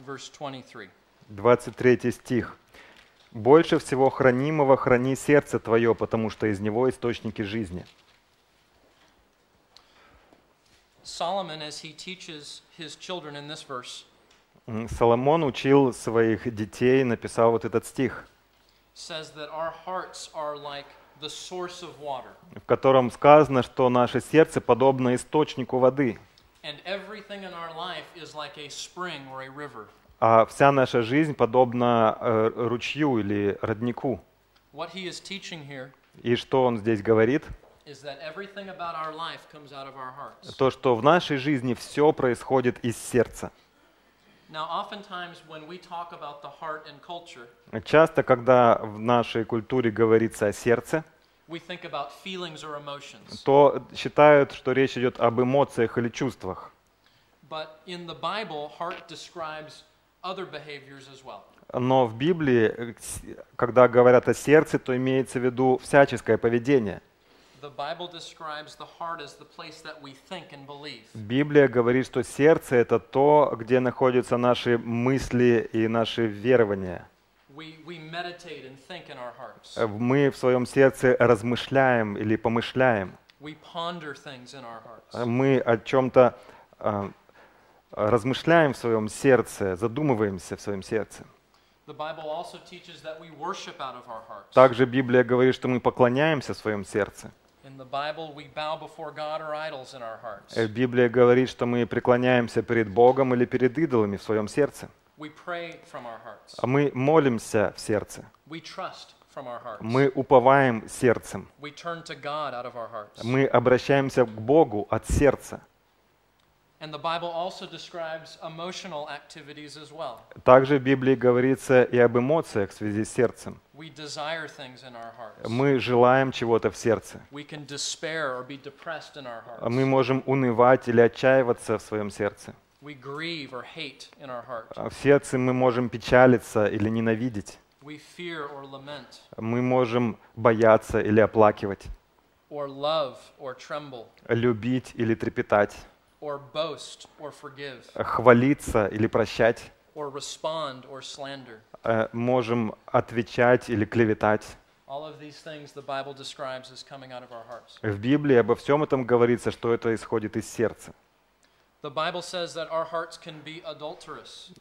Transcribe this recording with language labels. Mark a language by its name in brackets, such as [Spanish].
[English] Verse 23. [Russian] 23 стих. «Больше всего хранимого храни сердце твое, потому что из него источники жизни». [English] Solomon, as he teaches his children in this verse, [Russian] Соломон учил своих детей, написал вот этот стих, [English] says that our hearts are like the source of water. [Russian] В котором сказано, что наше сердце подобно источнику воды. [English] And everything in our life is like a spring or a river. [Russian] А вся наша жизнь подобна ручью или роднику. [English] What he is teaching here, [Russian] и что он здесь говорит, [English] is that everything about our life comes out of our hearts. [Russian] То, что в нашей жизни все происходит из сердца. [English] Now, oftentimes, when we talk about the heart and culture, [Russian] часто, когда в нашей культуре говорится о сердце, [English] we think about feelings or emotions. [Russian] То считают, что речь идет об эмоциях или чувствах. [English] But in the Bible, heart describes other behaviors as well. [Russian] Но в Библии, когда говорят о сердце, то имеется в виду всяческое поведение. [English] The Bible describes the heart as the place that we think and believe. [Russian] Библия говорит, что сердце — это то, где находятся наши мысли и наши верования. [English] We meditate and think in our hearts. [Russian] Мы в своем сердце размышляем или помышляем. [English] We ponder things in our hearts. [Russian] Мы о чем-то размышляем в своем сердце, задумываемся в своем сердце. [English] The Bible also teaches that we worship out of our hearts. [Russian] Также Библия говорит, что мы поклоняемся в своем сердце. [English] In the Bible we bow before God or idols in our hearts. [Russian] Библия говорит, что мы преклоняемся перед Богом или перед идолами в своем сердце. [English] We pray from our hearts. [Russian] А мы молимся в сердце. [English] We trust from our hearts. [Russian] Мы уповаем сердцем. [English] We turn to God out of our hearts. [Russian] Мы обращаемся к Богу от сердца. [English] And the Bible also describes emotional activities as well. [Russian] Также в Библии говорится и об эмоциях в связи с сердцем. [English] We desire things in our hearts. [Russian] Мы желаем чего-то в сердце. [English] We can despair or be depressed in our hearts. [Russian] Мы можем унывать или отчаиваться в своем сердце. [English] We grieve or hate in our heart. [Russian] В сердце мы можем печалиться или ненавидеть. [English] We fear or lament. [Russian] Мы можем бояться или оплакивать. [English] Or love or tremble. [Russian] Любить или трепетать. [English] Or boast or forgive. [Russian] Хвалиться или прощать. [English] Or respond or slander. [Russian] Можем отвечать или клеветать. [English] All of these things the Bible describes as coming out of our hearts. [Russian] В Библии обо всем этом говорится, что это исходит из сердца. [English] The Bible says that our hearts can be adulterous.